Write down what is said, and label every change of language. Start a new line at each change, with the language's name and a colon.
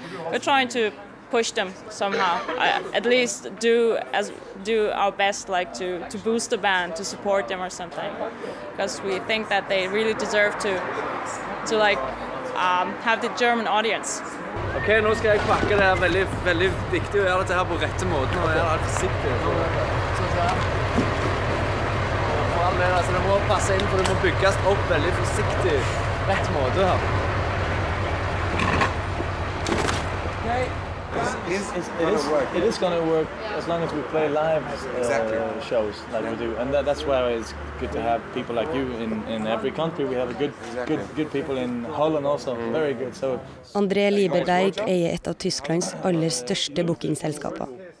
English: We're trying to push them somehow. At least do our best, like to boost the band, to support them or something, because we think that they really deserve to like have the German audience.
Norwegian: Okay, nu skal jeg pakke det her veldig, veldig viktig å gjøre dette her på rette måten, og jeg er alt for sikker. For all del, altså, det må passe inn, for det må bygges opp veldig forsiktig, rett måte her.
English: Okay. It is going to work as long as we play live shows like we do, and that's why it's good to have people like you in every country. We have a good people in Holland also, very good. So
Norwegian: André Lieberberg eier et av Tysklands aller største bookingselskaper.